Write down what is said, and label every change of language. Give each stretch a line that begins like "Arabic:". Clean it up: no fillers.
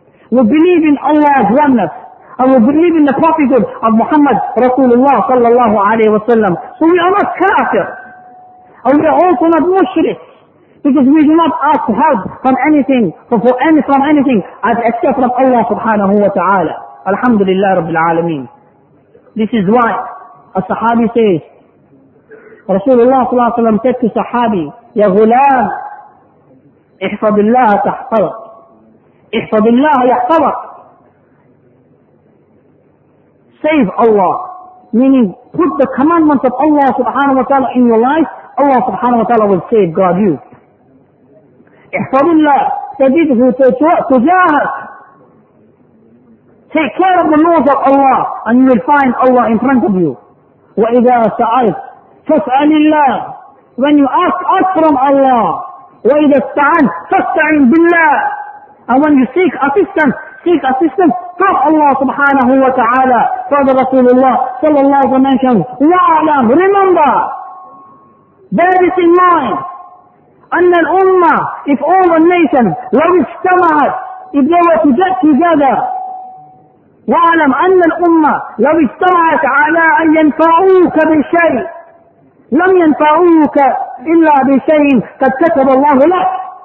English: We believe in Allah's oneness, and we believe in the prophethood of Muhammad Rasulullah sallallahu alayhi wa sallam. So we are not kafir, and we are also not mushrik, because we do not ask help from anything, except from Allah subhanahu wa ta'ala. Alhamdulillah Rabbil Alameen. This is why
Arabic: الصحابي says, رسول الله صلى الله عليه وسلم
English: said to
Arabic: صحابي, يا غلام احفظ الله تحفظك, احفظ الله يحفظك.
English: Save Allah, meaning put the commandments of Allah subhanahu wa ta'ala in your life, Allah subhanahu wa ta'ala will save, guard you.
Arabic: احفظ الله تجده تجاهك.
English: Take care of the laws of Allah and you will find Allah in front of you.
Arabic: وإذا سألت فاسأل الله.
English: When you ask, ask from Allah.
Arabic: وإذا استعنت فاستعن بالله.
English: And when you seek assistance, seek assistance from Allah subhanahu wa ta'ala. Father Rasulullah sallallahu alayhi wa sallam wa'alam, remember, bear this in mind,
Arabic: أن الأمة,
English: if all the nations,
Arabic: لو اجتمعت,
English: if they were to get together,
Arabic: وعلم أن الأمة لو اجتمعت على أن ينفعوك بشيء لم ينفعوك إلا بشيء قد كتب الله لك.